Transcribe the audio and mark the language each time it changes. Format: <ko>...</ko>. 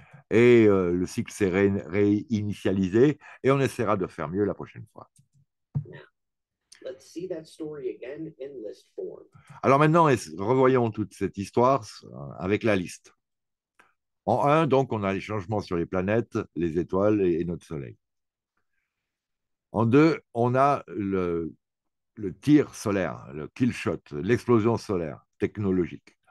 <fr>et le cycle s'est réinitialisé et on essaiera de faire mieux la prochaine fois.</fr> <en>Let's see that story again in list form.</en> <fr>Alors maintenant, revoyons toute cette histoire avec la liste. En 1, donc, on a les changements sur les planètes, les étoiles et notre Soleil. En 2, on a le tir solaire, le kill shot, l'explosion solaire technologique.</fr>